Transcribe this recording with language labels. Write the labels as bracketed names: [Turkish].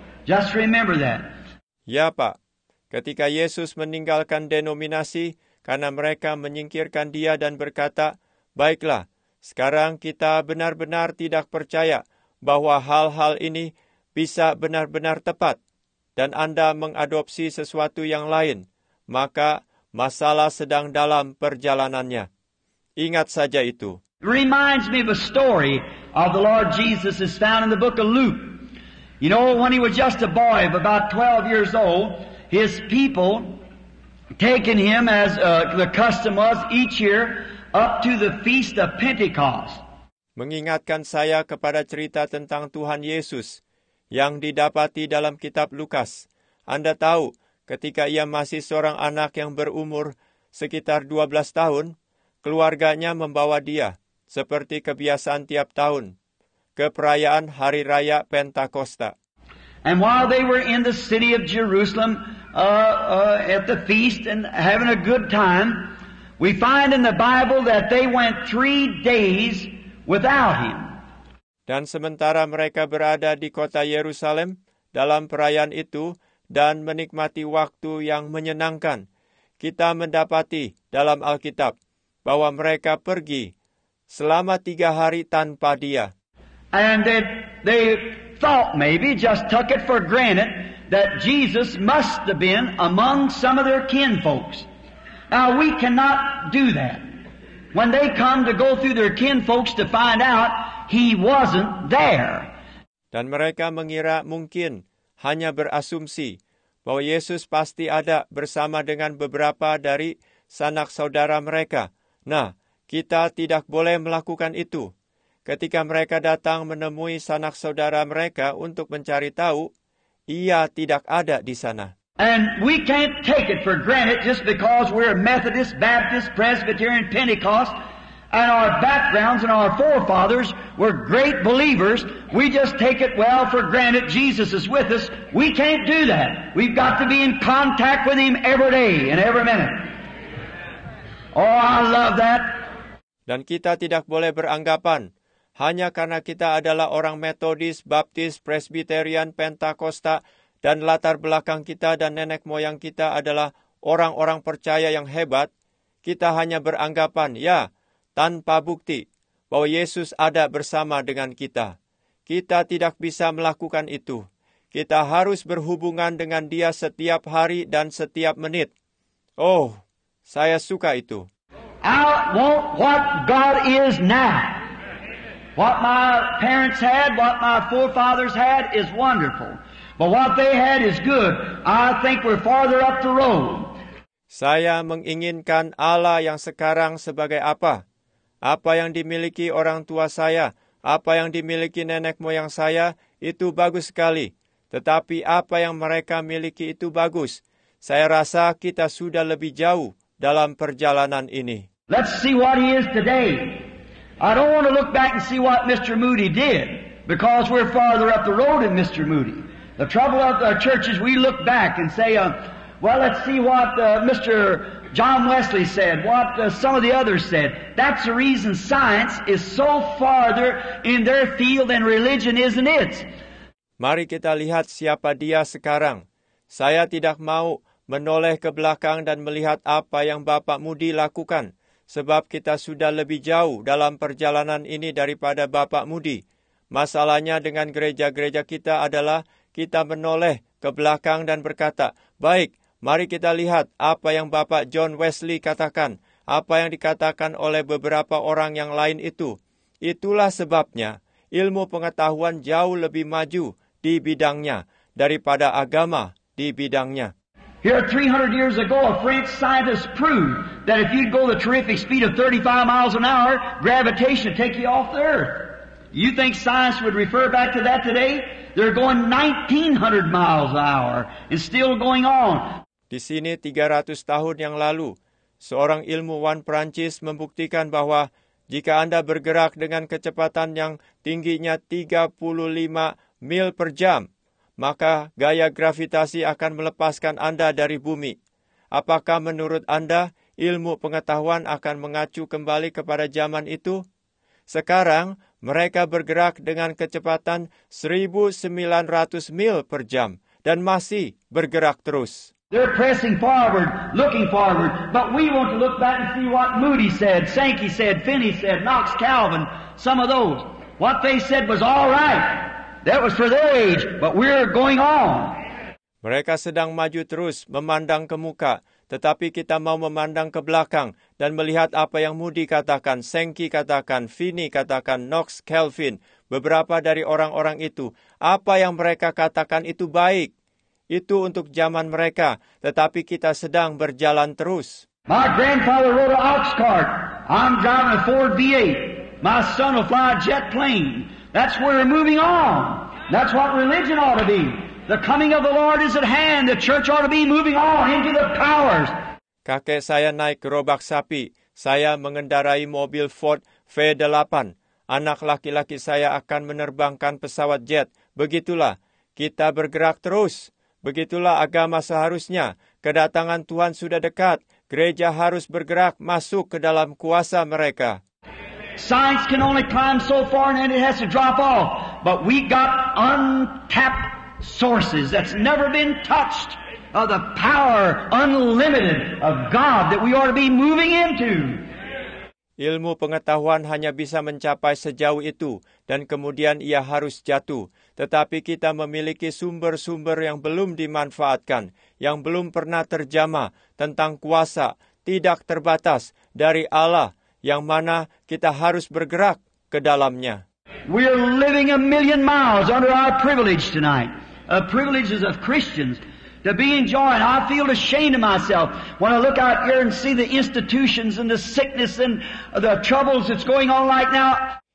[English] Just remember that. [Indonesian] Ya, Pak. Ketika Yesus meninggalkan denominasi karena mereka menyingkirkan dia dan berkata, baiklah, sekarang kita benar-benar tidak percaya bahwa hal-hal ini bisa benar-benar tepat, dan Anda mengadopsi sesuatu yang lain, maka masalah sedang dalam perjalanannya. Ingat saja itu. [English] Reminds me of a story of the Lord Jesus is found in the book of Luke. You know, when he was just a boy of about 12 years old, his people taken him, as the custom was each year, up to the feast of Pentecost. [Indonesian] Mengingatkan saya kepada cerita tentang Tuhan Yesus yang didapati dalam kitab Lukas. Anda tahu, ketika ia masih seorang anak yang berumur sekitar 12 tahun, keluarganya membawa dia, seperti kebiasaan tiap tahun, ke perayaan Hari Raya Pentakosta. [English] And while they were in the city of Jerusalem at the feast and having a good time, we find in the Bible that they went 3 days without him. [Indonesian] Dan sementara mereka berada di kota Yerusalem dalam perayaan itu dan menikmati waktu yang menyenangkan, kita mendapati dalam Alkitab bahwa mereka pergi selama 3 hari tanpa dia. [English] And they thought maybe, just took it for granted, that Jesus must have been among some of their kinfolks. Now, we cannot do that. When they come to go through their kinfolks to find out, he wasn't there. [Indonesian] Dan mereka mengira mungkin hanya berasumsi bahwa Yesus pasti ada bersama dengan beberapa dari sanak saudara mereka. Nah, kita tidak boleh melakukan itu. Ketika mereka datang menemui sanak saudara mereka untuk mencari tahu, ia tidak ada di sana. [English] And we can't take it for granted just because we're Methodist, Baptist, Presbyterian, Pentecost, and our backgrounds and our forefathers were great believers. We just take it well for granted Jesus is with us. We can't do that. We've got to be in contact with him every day and every minute. Oh, I love that. [Indonesian] Dan kita tidak boleh beranggapan hanya karena kita adalah orang Methodist, Baptist, Presbyterian, Pentakosta, dan latar belakang kita dan nenek moyang kita adalah orang-orang percaya yang hebat, kita hanya beranggapan, ya, tanpa bukti, bahwa Yesus ada bersama dengan kita. Kita tidak bisa melakukan itu. Kita harus berhubungan dengan dia setiap hari dan setiap menit. Oh, saya suka itu. [English] I want what God is now. What my parents had, what my forefathers had, is wonderful. But what they had is good. I think we're farther up the road. [Indonesian] Saya menginginkan Allah yang sekarang sebagai apa? Apa yang dimiliki orang tua saya, apa yang dimiliki nenek moyang saya, itu bagus sekali. Tetapi apa yang mereka miliki itu bagus. Saya rasa kita sudah lebih jauh dalam perjalanan ini. [English] Let's see what he is today. I don't want to look back and see what Mr. Moody did, because we're farther up the road than Mr. Moody. The trouble of our church is we look back and say, well, let's see what Mr. John Wesley said, what some of the others said. That's the reason science is so farther in their field than religion, isn't it? [Indonesian] Mari kita lihat siapa dia sekarang. Saya tidak mau menoleh ke belakang dan melihat apa yang Bapak Moody lakukan, sebab kita sudah lebih jauh dalam perjalanan ini daripada Bapak Moody. Masalahnya dengan gereja-gereja kita adalah kita menoleh ke belakang dan berkata, baik, mari kita lihat apa yang Bapak John Wesley katakan, apa yang dikatakan oleh beberapa orang yang lain itu. Itulah sebabnya ilmu pengetahuan jauh lebih maju di bidangnya daripada agama di bidangnya. [English] Here 300 years ago, a French scientist proved that if you'd go the terrific speed of 35 miles an hour, gravitation would take you off the earth. You think science would refer back to that today? They're going 1900 miles an hour and still going on. [Indonesian] Di sini 300 tahun yang lalu, seorang ilmuwan Prancis membuktikan bahwa jika Anda bergerak dengan kecepatan yang tingginya 35 mil per jam, maka gaya gravitasi akan melepaskan Anda dari bumi. Apakah menurut Anda ilmu pengetahuan akan mengacu kembali kepada zaman itu? Sekarang mereka bergerak dengan kecepatan 1900 mil per jam dan masih bergerak terus. [English] They're pressing forward, looking forward, but we want to look back and see what Moody said, Sankey said, Finney said, Knox, Calvin, some of those. What they said was all right. That was for their age, but we're going on. [Indonesian] Mereka sedang maju terus, memandang ke muka, tetapi kita mau memandang ke belakang dan melihat apa yang Moody katakan, Sankey katakan, Finney katakan, Knox, Calvin, beberapa dari orang-orang itu. Apa yang mereka katakan itu baik. Itu untuk zaman mereka, tetapi kita sedang berjalan terus. [English] My grandfather rode an ox cart. I'm driving a Ford V8. My son will fly a jet plane. That's where we're moving on. That's what religion ought to be. The coming of the Lord is at hand. The church ought to be moving on into the powers. [Indonesian] Kakek saya naik gerobak sapi. Saya mengendarai mobil Ford V8. Anak laki-laki saya akan menerbangkan pesawat jet. Begitulah, kita bergerak terus. Begitulah agama seharusnya. Kedatangan Tuhan sudah dekat. Gereja harus bergerak masuk ke dalam kuasa mereka. [English] Science can only climb so far and it has to drop off. But we got untapped sources that's never been touched of the power unlimited of God that we ought to be moving into. [Indonesian] Ilmu pengetahuan hanya bisa mencapai sejauh itu dan kemudian ia harus jatuh. Tetapi kita memiliki sumber-sumber yang belum dimanfaatkan, yang belum pernah terjamah tentang kuasa tidak terbatas dari Allah, yang mana kita harus bergerak ke dalamnya. [English] We are living a million miles under our privilege tonight, a privileges of Christians to be enjoying. I feel ashamed of myself when I look out here and see the institutions and the sickness and the troubles that's going on right now.